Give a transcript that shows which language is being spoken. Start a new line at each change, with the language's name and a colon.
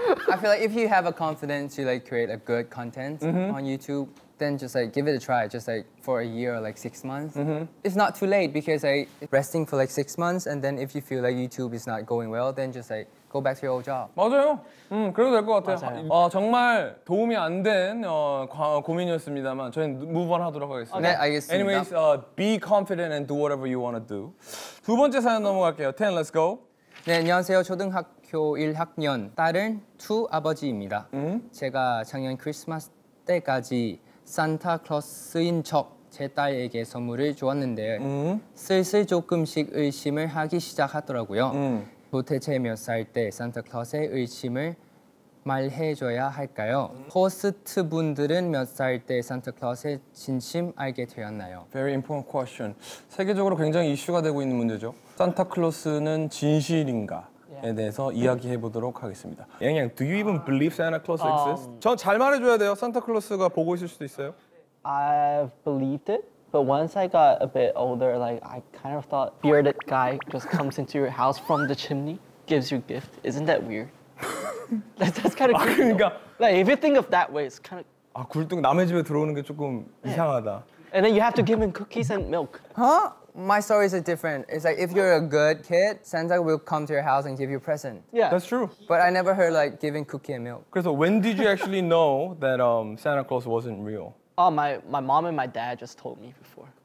English: I feel like if you have a confidence to like create a good content mm-hmm. on YouTube, then just like give it a try, just like for a year or like 6 months. Mm-hmm. It's not too late because like resting for like 6 months, and then if you feel like YouTube is not going well, then just like go back to your old job.
Korean: 맞아요. 그래도 될 것 같아요. 맞아요. 정말 도움이 안 된 고민이었습니다만 저희는
English: move on
Korean: 하도록 하겠습니다. 네, 알겠습니다.
English: Anyways, be confident and do whatever you want to do.
Korean: 두 번째 사연 넘어갈게요.
English: Ten, let's go.
Korean: 네, 안녕하세요. 초등학교 1학년 딸은 투 아버지입니다. 제가 작년 크리스마스 때까지 산타클로스인 척 제 딸에게 선물을 주었는데 슬슬 조금씩 의심을 하기 시작하더라고요. 도대체 몇 살 때 산타클로스의 의심을 말해줘야 할까요? 호스트 분들은 몇 살 때 산타클로스의 진심 알게 되었나요?
English: Very important question.
Korean: 세계적으로 굉장히 이슈가 되고 있는 문제죠. 산타클로스는 진실인가? 에 대해서 이야기해 보도록 하겠습니다.
English: 양양, do you even believe Santa Claus exists?
Korean: 전 잘 말해줘야 돼요. 산타클로스가 보고 있을 수도 있어요.
English: I believed it, but once I got a bit older, like I kind of thought bearded guy just comes into your house from the chimney, gives you gift. Isn't that weird? That's kind of.
Korean: 아 그러니까.
English: Like if you think of that way, it's kind of.
Korean: 아 굴뚝 남의 집에 들어오는 게 조금 이상하다.
English: And then you have to give him cookies and milk. Huh? My story is different. It's like if you're a good kid, Santa will come to your house and give you a present. Yeah, that's true. But I never heard like giving cookie and milk. Crystal, when did you actually know that Santa Claus wasn't real? Oh, my mom and my dad just told me before.